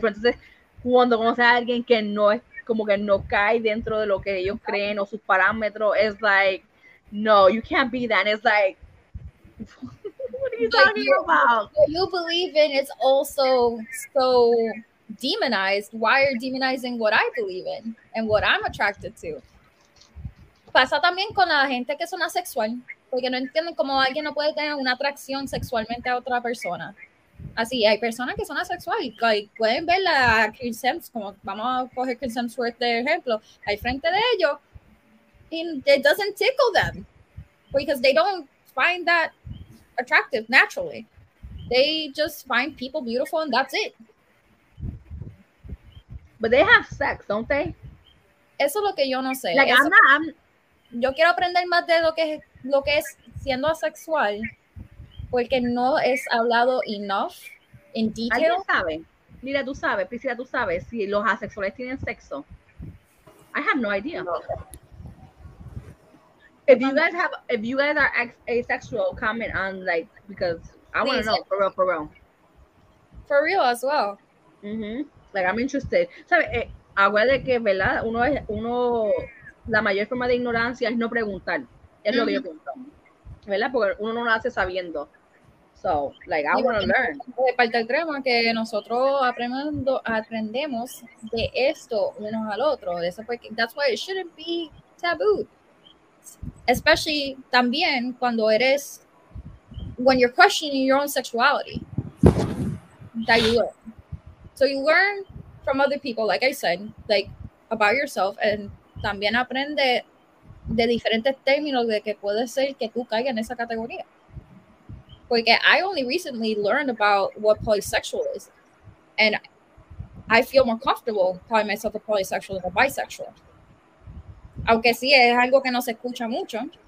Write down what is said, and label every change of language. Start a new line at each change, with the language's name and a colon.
Spanish: Pero entonces, cuando conoces a alguien que no es como que no cae dentro de lo que ellos creen o sus parámetros,
English: it's like, no, you can't be that. And it's like, what are you talking about? What you believe in is also so demonized. Why are you demonizing what I believe in and what I'm attracted to?
Spanish: Pasa también con la gente que son asexual. Porque no entienden cómo alguien no puede tener una atracción sexualmente a otra persona. Así, hay personas que son asexuales. Like, pueden ver a Chris Hemsworth, como vamos a coger Chris Hemsworth de ejemplo, ahí frente de ellos,
English: and it doesn't tickle them. Because they don't find that attractive naturally. They just find people beautiful and that's it. But they have sex, don't they?
Spanish: Eso es lo que yo no sé.
English: Like,
Spanish: eso,
English: I'm not...
Spanish: Yo quiero aprender más de lo que es siendo asexual, porque no es hablado
English: enough in detail.
Spanish: ¿Alguien sabe? Mira, tú sabes, Priscila, tú sabes si los asexuales tienen sexo.
English: I have no idea. If you guys are asexual, comment on, like, because I want to know, for real, for real. For real as well.
Spanish: Mm-hmm.
English: Like, I'm interested.
Spanish: ¿Sabes? Acuérdate que, ¿verdad? Uno, la mayor forma de ignorancia es no preguntar. Es lo que yo pregunto. ¿Verdad? Porque uno no lo hace sabiendo.
English: So, like, I want to learn.
Spanish: De parte del tema que nosotros aprendemos de esto unos al otro. Eso fue que,
English: that's why it shouldn't be taboo. Especially
Spanish: también cuando eres,
English: when you're questioning your own sexuality, that you learn. So you learn from other people, like I said, like, about yourself, and
Spanish: también aprende de diferentes términos de que puede ser que tú caigas en esa categoría.
English: Porque I only recently learned about what polysexual is. And I feel more comfortable calling myself a polysexual than a bisexual.
Spanish: Aunque sí, es algo que no se escucha mucho.